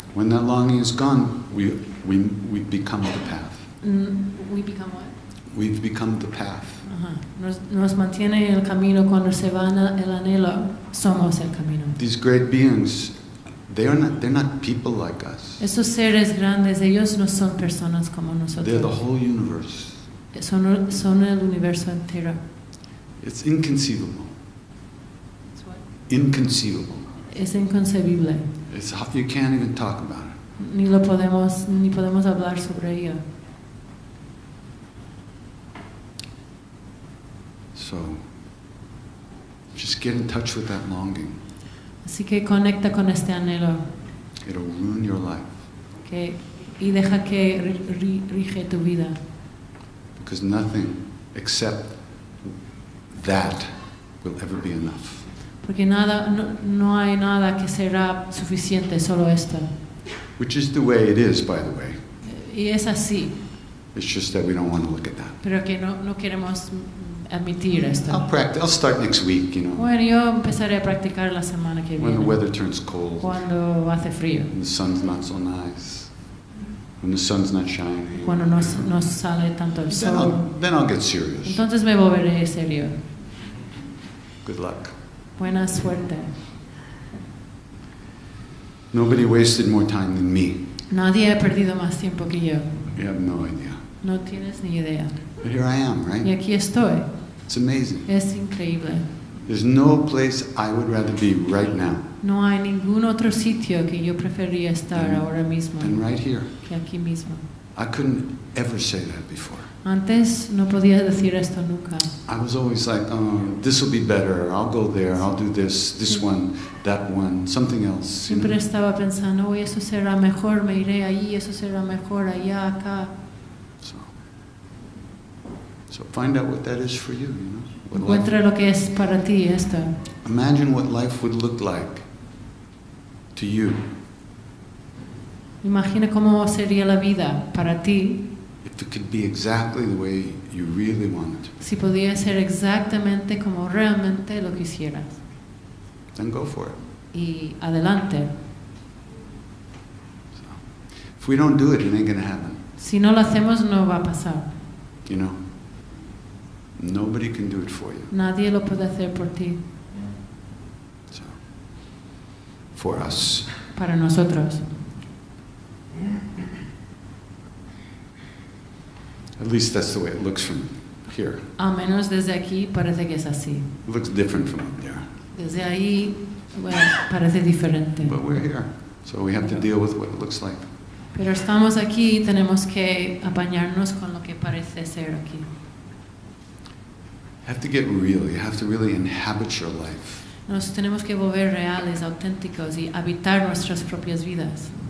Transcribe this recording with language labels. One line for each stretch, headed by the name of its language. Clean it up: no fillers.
English: When that longing is gone, we become the path. We become what? We've become the path.
Spanish: Nos mantiene el camino cuando se va el anhelo, somos el camino.
English: These great beings, they're not people like us.
Spanish: Esos seres grandes, ellos no son personas como nosotros.
English: They're the whole universe.
Spanish: Son el universo entero.
English: It's inconceivable. It's what? Inconceivable.
Spanish: Es inconcebible.
English: It's, you can't even talk about it.
Spanish: Ni podemos hablar sobre ello.
English: So, just get in touch with that longing.
Spanish: Así que conecta con este anhelo.
English: It'll ruin your life.
Spanish: Que, y deja que rige tu vida.
English: Because nothing except that will ever be enough.
Spanish: Porque nada, no hay nada que será suficiente, solo esto.
English: Which is the way it is, by the way.
Spanish: Y es así.
English: It's just that we don't want to look at that.
Spanish: Pero que no queremos admitir esto.
English: I'll start next week, you know.
Spanish: Bueno, yo empezaré a practicar la semana que
English: when When the weather turns cold.
Spanish: Cuando hace frío.
English: When the sun's not so nice. When the sun's not shining.
Spanish: Cuando no sale tanto el sol.
English: Then I'll get serious.
Spanish: Entonces me volveré serio.
English: Good luck.
Spanish: Buena suerte.
English: Nobody wasted more time than me.
Spanish: Nadie ha perdido más tiempo que yo.
English: You have no idea.
Spanish: No tienes ni idea.
English: But here I am, right?
Spanish: Y aquí estoy.
English: It's amazing.
Spanish: Es increíble.
English: There's no place I would rather be right now.
Spanish: No hay ningún otro sitio que yo preferiría estar ahora mismo.
English: Than right here.
Spanish: Que aquí mismo.
English: I couldn't ever say that before.
Spanish: Antes no podía decir esto nunca.
English: I was always like, oh, this will be better. I'll go there. I'll do this sí. One, that one, something else.
Spanish: Siempre
English: you know?
Spanish: Estaba pensando, oh, eso será mejor. Me iré allí. Eso será mejor allá, acá.
English: So find out what that is for you, you know.
Spanish: Encuentra lo que es para ti esto.
English: Imagine what life would look like to you.
Spanish: Imagina cómo sería la vida para ti.
English: If it could be exactly the way you really want it.
Spanish: Si podía ser exactamente como realmente lo quisieras.
English: Then go for it.
Spanish: y adelante.
English: If we don't do it, it ain't gonna happen.
Spanish: Si no lo hacemos, no va a pasar.
English: You know, nobody can do it for you.
Spanish: Nadie lo puede hacer por ti.
English: So, for us.
Spanish: Para nosotros.
English: At least that's the way it looks from here.
Spanish: Al menos desde aquí parece que es así.
English: It looks different from up there.
Spanish: Desde ahí, bueno, parece diferente.
English: But we're here, so we have to deal with what it looks like.
Spanish: Pero estamos aquí y tenemos que apañarnos con lo que parece ser aquí.
English: You have to get real. You have to really inhabit your life.
Spanish: Nos tenemos que volver reales, auténticos y habitar nuestras propias vidas.